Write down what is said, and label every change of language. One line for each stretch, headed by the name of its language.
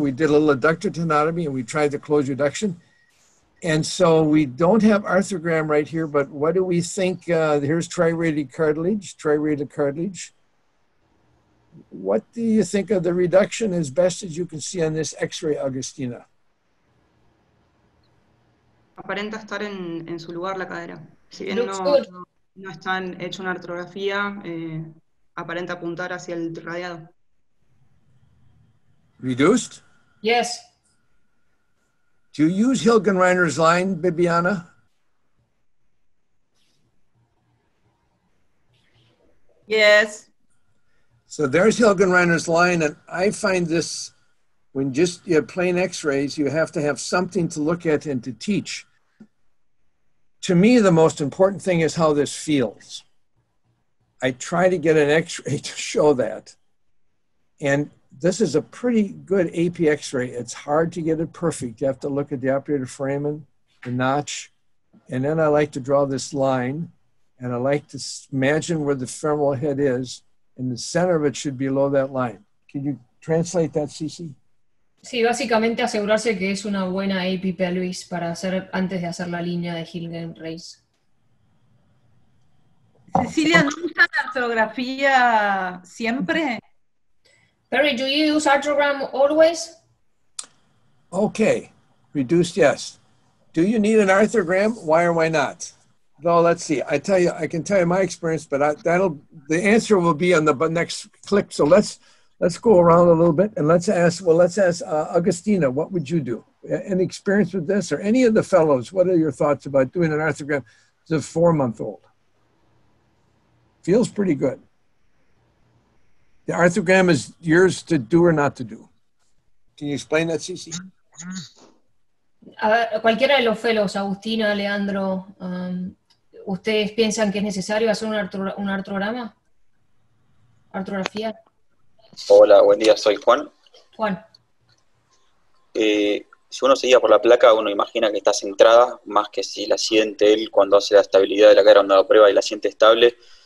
English: We did a little adductor tenotomy and we tried the closed reduction. And so we don't have arthrogram right here, but what do we think? Here's triradial cartilage. What do you think of the reduction as best as you can see on this X-ray, Agustina?
Spanish: Aparenta estar en su lugar la cadera. Si bien no está hecho una artrografía, aparenta apuntar hacia el radiado.
English: Reduced? Yes. Do you use Hilgenreiner's line, Bibiana? Yes. So there's Hilgenreiner's line, and I find this, when just you have plain X-rays, you have to have something to look at and to teach. To me, the most important thing is how this feels. I try to get an X-ray to show that. And this is a pretty good AP X-ray. It's hard to get it perfect. You have to look at the operator foramen, the notch, and then I like to draw this line, and I like to imagine where the femoral head is, and the center of it should be below that line. Can you translate that, Cici?
Spanish: Sí, básicamente asegurarse que es una buena AP pelvis para hacer antes de hacer la línea de Hilgenreis. Cecilia, ¿no usa la artrografía siempre?
English: Perry, do you use artrogram always? Okay, reduced, yes. Do you need an arthrogram? Why or why not? Though, let's see. I can tell you my experience, but the answer will be on the next click. So let's go around a little bit and let's ask Agustina, what would you do? Any experience with this or any of the fellows, what are your thoughts about doing an arthrogram as a 4-month-old? Feels pretty good. The arthrogram is yours to do or not to do. Can you explain that, Cici?
Spanish: A cualquiera de los fellows, Agustina, Leandro, ¿ustedes piensan que es necesario hacer un artrograma? Artrografía. Hola, buen día, soy Juan. Juan. Si uno se guía por la placa, uno imagina que está centrada, más que si la siente él cuando hace la estabilidad de la cara cuando la prueba y la siente estable.